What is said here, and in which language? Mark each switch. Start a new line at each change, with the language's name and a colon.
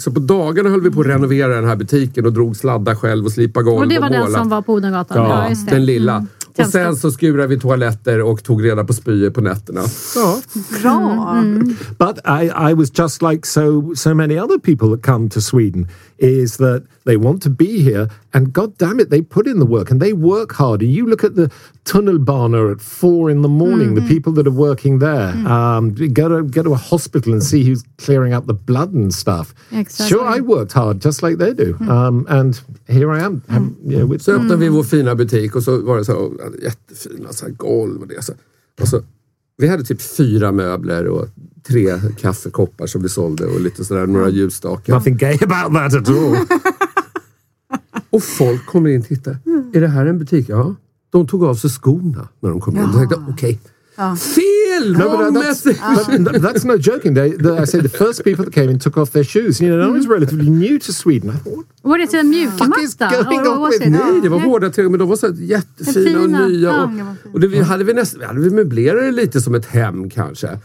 Swedish: Så på dagarna höll vi på att renovera den här butiken och drog sladdar själv och slipa golv och måla. Och det var den som var på Odengatan. Ja, den lilla. Mm. Och sen så skurade vi toaletter och tog reda på spyor på nätterna. Ja. Bra. Mm.
English: But I was just like so many other people that come to Sweden, is that they want to be here and god damn it, they put in the work and they work hard. And you look at the tunnelbana at 4 a.m, the people that are working there. Mm. Go to a hospital and see who's clearing up the blood and stuff. Exactly. Sure, I worked hard just like they do. Mm. And here I am. Mm. Yeah, with,
Swedish: så öppnade vi vår fina butik och så var det så jättefina så här golv och det. Så. Och så, vi hade typ 4 möbler och 3 kaffekoppar som vi sålde och lite sådär, några ljusstakar.
English: Nothing gay about that at all.
Swedish: Och folk kommer in och tittar. Mm. Är det här en butik? Ja. De tog av sig skorna när de kom in. De tänkte, okej. Fel!
English: No, that's no joking. I say the first people that came in took off their shoes. You know, I was relatively new to Sweden. I thought, what is a mjukmatta?
Swedish: Nej, det var hårda tyg, men de var så jättefina och nya. Och det, vi hade möblerade lite som ett hem, kanske.